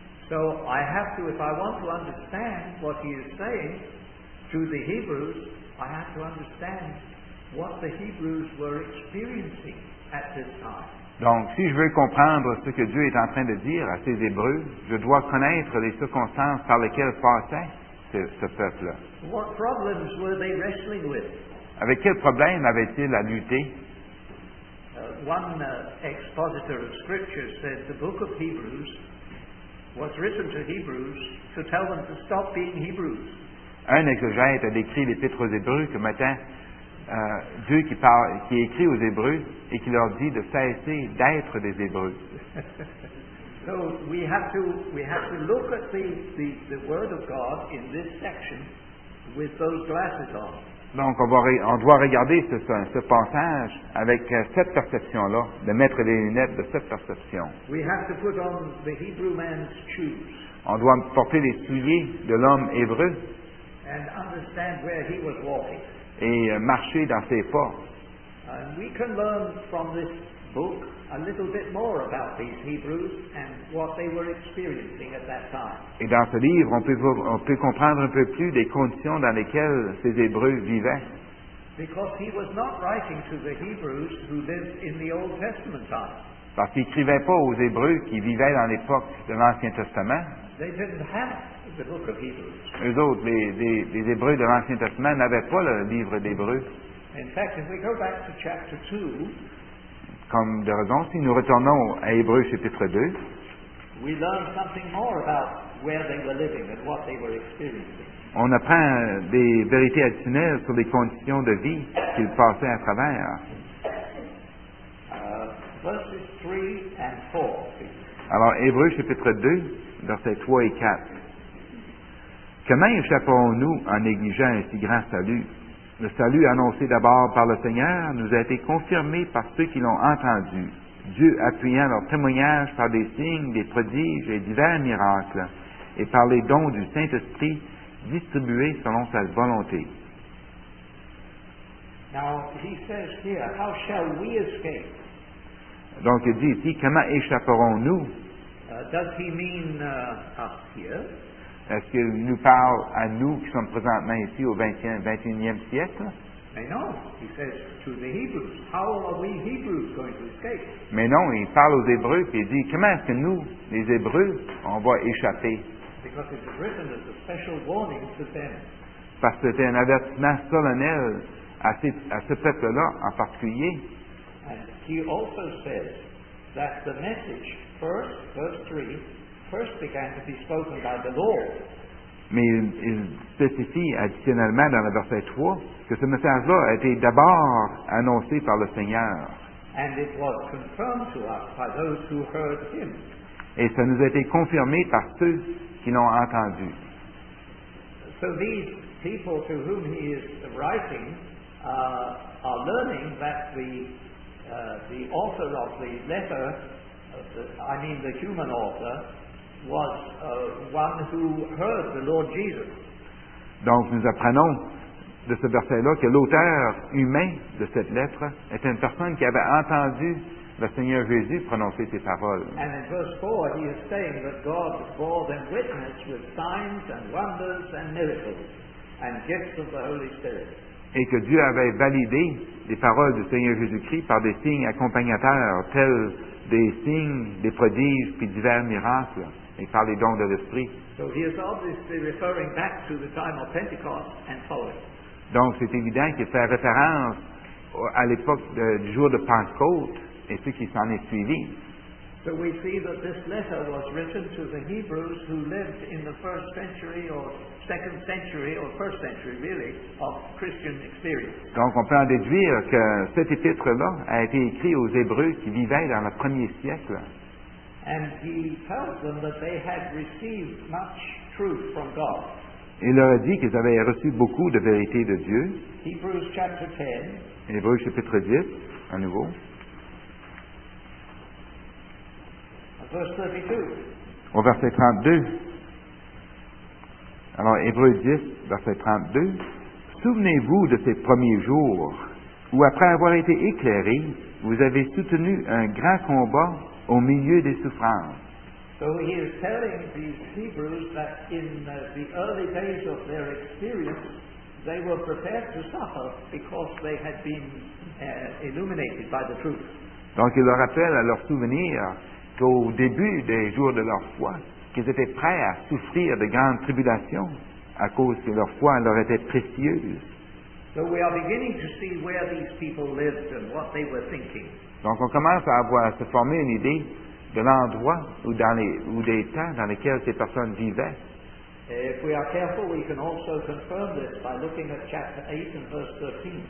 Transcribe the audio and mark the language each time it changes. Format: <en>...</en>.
<en>So I have to, if I want to understand what he is saying to the Hebrews, I have to understand what the Hebrews were experiencing at this time.</en> <fr>Donc, si je veux comprendre ce que Dieu est en train de dire à ces Hébreux, je dois connaître les circonstances par lesquelles passait ce peuple.</fr> <en>What problems were they wrestling with?</en> <fr>Avec quels problèmes avaient-ils à lutter?</fr> <en>One expositor of Scripture said the book of Hebrews was written to Hebrews to tell them to stop being Hebrews.</en> <fr>Un exégète a décrit l'Épître aux Hébreux comme étant Dieu qui écrit aux Hébreux et qui leur dit de cesser d'être des Hébreux.</fr> <en>So we have to look at the Word of God in this section with those glasses on.</en> <fr>Donc on doit regarder ce passage avec cette perception-là, de mettre les lunettes de cette perception.</fr> <en>We have to put on the Hebrew man's shoes.</en> <fr>On doit porter les souliers de l'homme hébreu.</fr> <en>And understand where he was walking.</en> <fr>Et marcher dans ses pas.</fr> <en>And we can learn from this book a little bit more about these Hebrews and what they were experiencing at that time.</en> <fr>Et dans ce livre, on peut comprendre un peu plus des conditions dans lesquelles ces Hébreux vivaient.</fr> <en>Because he was not writing to the Hebrews who lived in the Old Testament time.</en> <fr>Parce qu'il écrivait pas aux Hébreux qui vivaient dans l'époque de l'Ancien Testament.</fr> <en>They didn't have the book of Hebrews.</en> <fr>Eux autres, les Hébreux de l'Ancien Testament n'avaient pas le livre d'Hébreux.</fr> <en>In fact, if we go back to chapter 2,</en> <fr>comme de raison, si nous retournons à Hébreux chapitre 2,</fr> <en>we learn something more about where they were living and what they were experiencing.</en> <fr>On apprend des vérités additionnelles sur les conditions de vie qu'ils passaient à travers.</fr> <en>Verses 3 and 4, please.</en> <fr>Alors, Hébreux chapitre 2, versets 3 et 4. Comment échapperons-nous en négligeant un si grand salut? Le salut annoncé d'abord par le Seigneur nous a été confirmé par ceux qui l'ont entendu, Dieu appuyant leur témoignage par des signes, des prodiges et divers miracles, et par les dons du Saint-Esprit distribués selon sa volonté.</fr> <en>Now, he says here, how shall we escape?</en> <fr>Donc, il dit ici, comment échapperons-nous?</fr> <en>Does he mean us here?</en> <fr>Est-ce qu'il nous parle à nous qui sommes présentement ici au 21e siècle? Mais non, il parle aux Hébreux et il dit, comment est-ce que nous, les Hébreux, on va échapper?</fr> <en>Because it's written as a special warning to them.</en> <fr>Parce que c'est un avertissement solennel à ce peuple-là en particulier.</fr> <en>And he also says that the message, first began to be spoken by the Lord.</en> <fr>Mais il spécifie additionnellement dans le verset 3 que ce message-là a été d'abord annoncé par le Seigneur.</fr> <en>And it was confirmed to us by those who heard him.</en> <fr>Et ça nous a été confirmé par ceux qui l'ont entendu.</fr> <en>So these people to whom he is writing are learning that the author of the letter, the human author, was one who heard the Lord Jesus.</en> <fr>Donc nous apprenons de ce verset-là que l'auteur humain de cette lettre est une personne qui avait entendu le Seigneur Jésus prononcer ses paroles.</fr> <en>And in verse 4, he is saying that God bore them witness with signs and wonders and miracles and gifts of the Holy Spirit.</en> <fr>Et que Dieu avait validé les paroles du Seigneur Jésus-Christ par des signes accompagnateurs tels des signes, des prodiges, puis divers miracles, et par les dons de l'Esprit.</fr> <en>So he is obviously referring back to the time of Pentecost and following.</en> <fr>Donc, c'est évident qu'il fait référence à l'époque du jour de Pentecôte et ce qui s'en est suivi.</fr> <en>So we see that this letter was written to the Hebrews who lived in the first century or second century or first century, really, of Christian experience.</en> <fr>Donc, on peut en déduire que cet épître-là a été écrit aux Hébreux qui vivaient dans le premier siècle.</fr> <en>And he tells them that they had received much truth from God.</en> <fr>Il leur a dit qu'ils avaient reçu beaucoup de vérité de Dieu.</fr> <en>Hebrews chapter 10.</en> <fr>Hébreux chapitre 10, à nouveau.</fr> <en>Verse 32.</en> <fr>Au verset 32. Alors, Hébreux 10, verset 32. Souvenez-vous de ces premiers jours où, après avoir été éclairés, vous avez soutenu un grand combat au milieu des souffrances.</fr> <en>So he is telling these Hebrews that in the early days of their experience, they were prepared to suffer because they had been illuminated by the truth.</en> <fr>Donc, il leur rappelle à leur souvenir qu'au début des jours de leur foi, qu'ils étaient prêts à souffrir de grandes tribulations à cause que leur foi leur était précieuse.</fr> <en>So we are beginning to see where these people lived and what they were thinking.</en> <fr>Donc, on commence à se former une idée de l'endroit ou des temps dans lesquels ces personnes vivaient.</fr> <en>If we are careful, we can also confirm this by looking at chapter 8 and verse 13.</en>